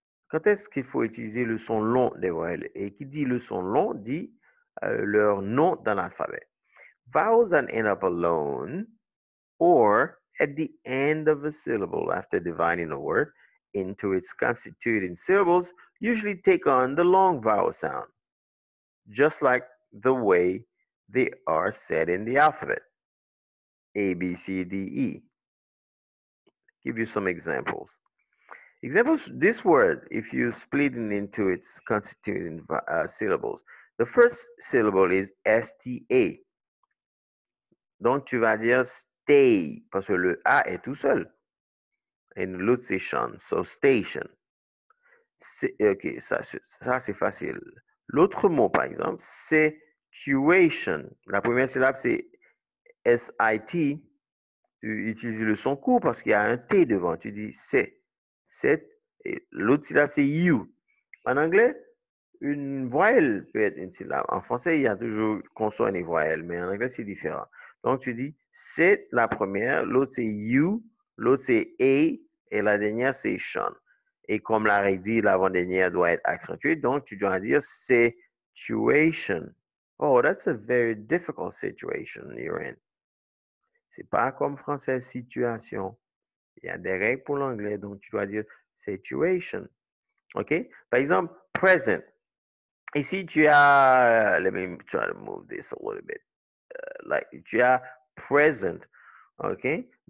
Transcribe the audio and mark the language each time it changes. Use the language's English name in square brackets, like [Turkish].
[French] Quand est-ce qu'il faut utiliser le son long des voyelles? Et qui dit le son long dit leur nom dans l'alphabet. [English] Vowels that end up alone or at the end of a syllable after dividing a word into its constituting syllables usually take on the long vowel sound, just like the way they are said in the alphabet. A, B, C, D, E. Give you some examples. Examples, this word, if you split it into its constituting syllables, the first syllable is S-T-A. [French] Donc, tu vas dire stay, parce que le A est tout seul. Et l'autre, c'est Sean. So, station. Ça, c'est facile. L'autre mot, par exemple, situation. La première syllabe, c'est S-I-T. Tu utilises le son court parce qu'il y a un T devant. Tu dis C. Et l'autre syllabe, c'est you. En anglais, une voyelle peut être une syllabe. En français, il y a toujours consonne et voyelle, mais en anglais, c'est différent. Donc, tu dis, c'est la première, l'autre c'est you, l'autre c'est a, et la dernière c'est Sean. Et comme la règle dit, l'avant-dernière doit être accentuée, donc tu dois dire situation. [English] Oh, that's a very difficult situation you're in. [French] C'est pas comme français, situation. Il y a des règles pour l'anglais, donc tu dois dire situation. OK? Par exemple, present. Et si tu as, [English] let me try to move this a little bit, like, [French] tu as present, [English] ok?